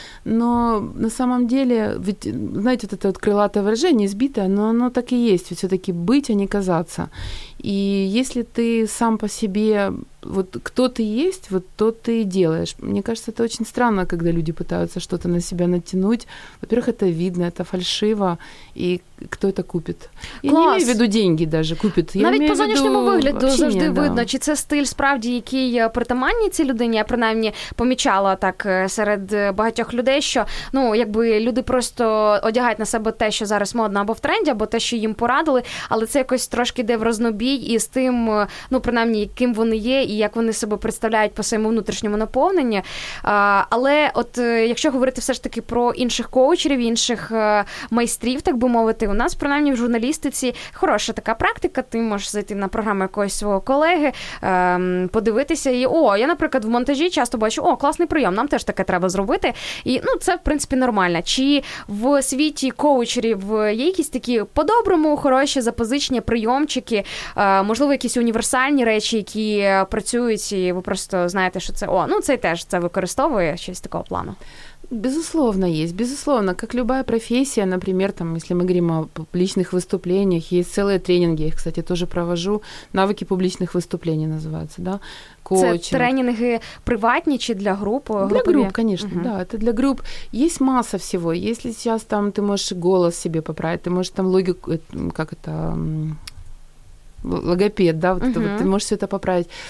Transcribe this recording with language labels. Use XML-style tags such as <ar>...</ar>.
<ru>Но на самом деле, ведь, знаете, вот это вот крылатое выражение, избитое, но оно так и есть, все-таки быть, а не казаться. И если ты сам по себе, вот кто ты есть, вот то ты и делаешь. Мне кажется, это очень странно, когда люди пытаются что-то на себя натянуть. Во-первых, это видно, это фальшиво, и кто это купит? Я</ru> <uk>Клас.</uk> <ru>Не имею в виду деньги даже, купит.</ru> <uk>Я навіть по зовнішньому вигляду завжди видно, чи це стиль справді, який притаманний цій людині, я принаймні помічала так серед багатьох людей, що, ну, якби люди просто одягають на себе те, що зараз модно або в тренді, або те, що їм порадили, але це якось трошки йде в рознобій із тим, ну, принаймні, яким вони є і як вони себе представляють по своєму внутрішньому наповненні. Але от якщо говорити все ж таки про інших коучерів, інших майстрів, так би мовити, у нас, принаймні, в журналістиці хороша така практика, ти можеш зайти на програму якогось свого колеги, подивитися, і, о, я, наприклад, в монтажі часто бачу, о, класний прийом, нам теж таке треба зробити, і, ну, це, в принципі, нормально. Чи в світі коучерів є якісь такі по-доброму хороші запозичення, прийомчики, можливо, якісь універсальні речі, які працюють, і ви просто знаєте, що це, о, ну, це теж це використовує, щось такого плану.</uk> <ru>Безусловно, есть, безусловно, как любая профессия, например, там, если мы говорим о публичных выступлениях, есть целые тренинги, я их, кстати, тоже провожу, навыки публичных выступлений называются, да, коучинг. Это тренинги приватные, чи для группы? Для групп, конечно, да, это для групп. Есть масса всего, если сейчас там ты можешь голос себе поправить, ты можешь там логику, как это, логопед, да, вот это, вот, ты можешь все это поправить.</ru>